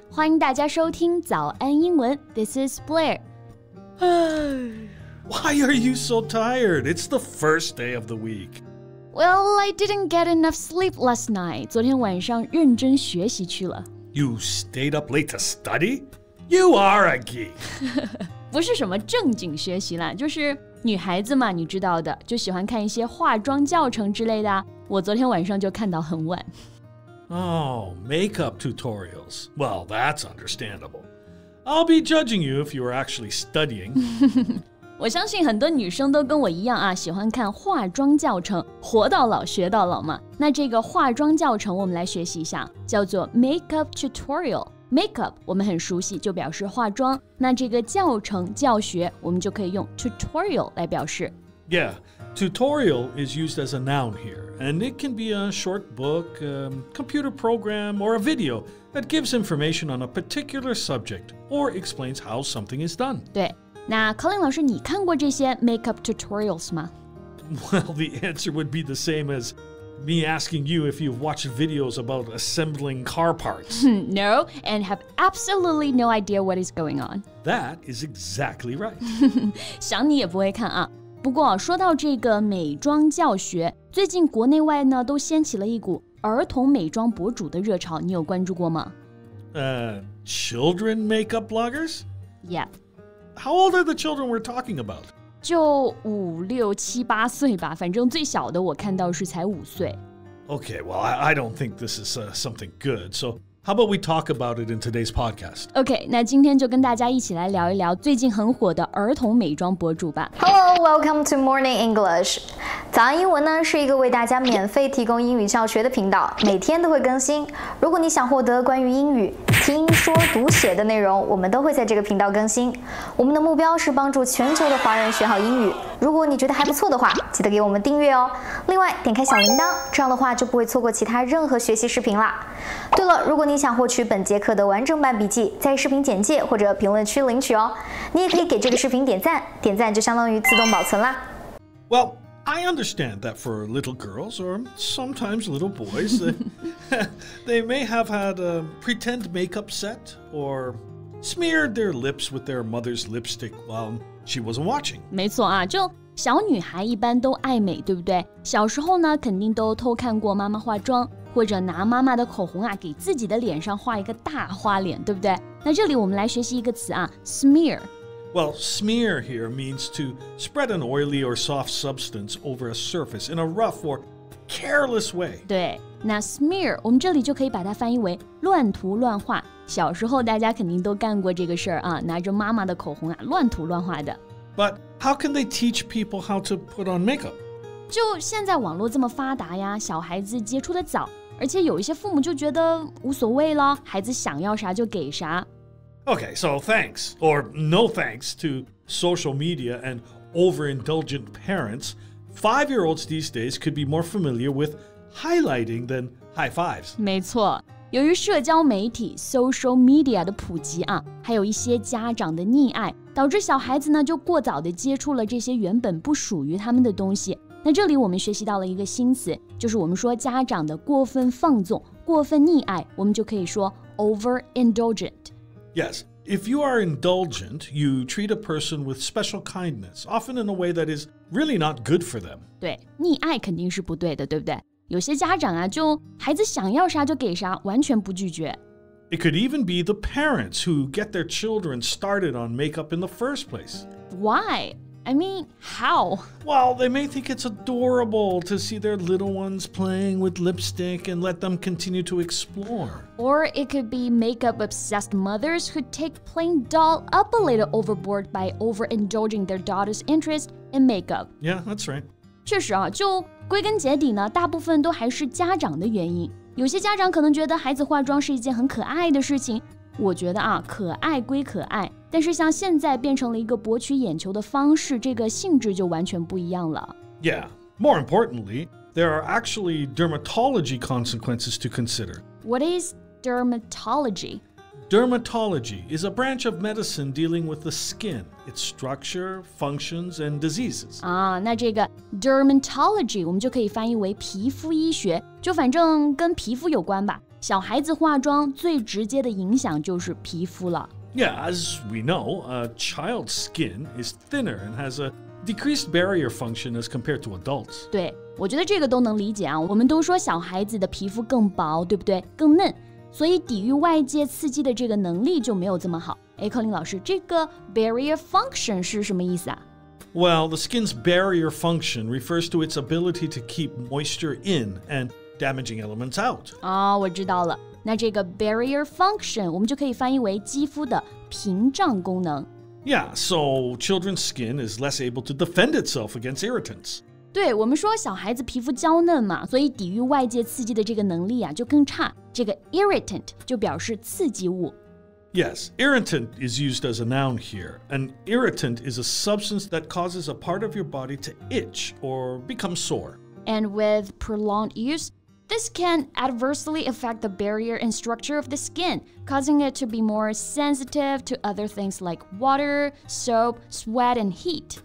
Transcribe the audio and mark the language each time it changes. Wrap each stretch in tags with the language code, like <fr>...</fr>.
<zh>欢迎大家收听早安英文</zh> <en>This is Blair. Why are you so tired? It's the first day of the week. Well, I didn't get enough sleep last night.</en> <zh>昨天晚上认真学习去了。</zh> <en>You stayed up late to study? You are a geek.</en> <zh>不是什么正经学习啦，就是女孩子嘛，你知道的，就喜欢看一些化妆教程之类的。我昨天晚上就看到很晚。</zh> <en>Oh, makeup tutorials. Well, that's understandable. I'll be judging you if you are actually studying.</en> <zh>我相信很多女生都跟我一样啊，喜欢看化妆教程，活到老学到老嘛。那这个化妆教程我们来学习一下，叫做 makeup tutorial。 Makeup 我们很熟悉，就表示化妆。那这个教程教学，我们就可以用 tutorial 来表示。</zh> <en>Yeah, tutorial is used as a noun here, and it can be a short book, a computer program, or a video that gives information on a particular subject or explains how something is done.</en> <zh>对，那 Colin 老师，你看过这些 makeup tutorials 吗？</zh> <en>Well, the answer would be the same as me asking you if you've watched videos about assembling car parts. No, and have absolutely no idea what is going on. That is exactly right.</en> <zh>想你也不会看啊。不过说到这个美妆教学，最近国内外呢都掀起了一股儿童美妆博主的热潮，你有关注过吗？</zh> <en>Children makeup bloggers? Yeah. How old are the children we're talking about?</en> <zh>就五六七八岁吧，反正最小的我看到是才五岁。</zh> <en>Okay, well, I don't think this is something good, so... How about we talk about it in today's podcast?</en> <zh>Okay, 那今天就跟大家一起来聊一聊最近很火的儿童美妆博主吧。</zh> <en>Hello, welcome to Morning English.</en> <zh>早安英文呢是一个为大家免费提供英语教学的频道，每天都会更新。如果你想获得关于英语听说读写的内容，我们都会在这个频道更新。我们的目标是帮助全球的华人学好英语。如果你觉得还不错的话，记得给我们订阅哦。另外，点开小铃铛，这样的话就不会错过其他任何学习视频啦。对了，如果你想获取本节课的完整版笔记，在视频简介或者评论区领取哦。你也可以给这个视频点赞，点赞就相当于自动保存啦。</zh> <en>Well, I understand that for little girls or sometimes little boys, they may have had a pretend makeup set or smeared their lips with their mother's lipstick while she wasn't watching.</en> <zh>没错啊，就小女孩一般都爱美，对不对？小时候呢，肯定都偷看过妈妈化妆。或者拿妈妈的口红啊，给自己的脸上画一个大花脸，对不对？那这里我们来学习一个词啊 ，smear。</zh> <en>Well, smear here means to spread an oily or soft substance over a surface in a rough or careless way.</en> <zh>对，那 smear 我们这里就可以把它翻译为乱涂乱画。小时候大家肯定都干过这个事儿啊，拿着妈妈的口红啊，乱涂乱画的。</zh> <en>But how can they teach people how to put on makeup?</en> <zh>就现在网络这么发达呀，小孩子接触的早，而且有一些父母就觉得无所谓了，孩子想要啥就给啥。</zh> <en>Okay, so thanks, or no thanks, to social media and overindulgent parents, five-year-olds these days could be more familiar with highlighting than high fives.</en> <zh>没错，由于社交媒体 social media 的普及啊，还有一些家长的溺爱，导致小孩子呢就过早的接触了这些原本不属于他们的东西。那这里我们学习到了一个新词，就是我们说家长的过分放纵、过分溺爱，我们就可以说 overindulgent.</zh> <en>Yes, if you are indulgent, you treat a person with special kindness, often in a way that is really not good for them.</en> <zh>对，溺爱肯定是不对的，对不对？有些家长啊，就孩子想要啥就给啥，完全不拒绝。</zh> <en>It could even be the parents who get their children started on makeup in the first place. Why? I mean, how? Well, they may think it's adorable to see their little ones playing with lipstick and let them continue to explore. Or it could be makeup-obsessed mothers who take playing doll up a little overboard by overindulging their daughter's interest in makeup. Yeah, that's right.</en> <zh>确实啊，就归根结底呢，大部分都还是家长的原因。有些家长可能觉得孩子化妆是一件很可爱的事情。我觉得啊，可爱归可爱，但是像现在变成了一个博取眼球的方式，这个性质就完全不一样了。</zh> <en>Yeah, more importantly, there are actually dermatology consequences to consider. What is dermatology? Dermatology is a branch of medicine dealing with the skin, its structure, functions, and diseases.</en> <zh>啊，那这个 dermatology 我们就可以翻译为皮肤医学，就反正跟皮肤有关吧。小孩子化妆最直接的影响就是皮肤了。</zh> <en>Yeah, as we know, a child's skin is thinner and has a decreased barrier function as compared to adults.</en> <zh>对，我觉得这个都能理解啊。我们都说小孩子的皮肤更薄，对不对？更嫩。所以抵御外界刺激的这个能力就没有这么好。哎，柯林老师，这个 barrier function 是什么意思啊？</zh> <en>Well, the skin's barrier function refers to its ability to keep moisture in and damaging elements out.</en> <zh>哦，我知道了。那这个 barrier function 我们就可以翻译为肌肤的屏障功能。</zh> <en>Yeah, so children's skin is less able to defend itself against irritants.</en> <zh>对，我们说小孩子皮肤娇嫩嘛，所以抵御外界刺激的这个能力啊就更差。这个 irritant 就表示刺激物。</zh> <en>Yes, irritant is used as a noun here. An irritant is a substance that causes a part of your body to itch or become sore. And with prolonged use, this can adversely affect the barrier and structure of the skin, causing it to be more sensitive to other things like water, soap, sweat, and heat.</en>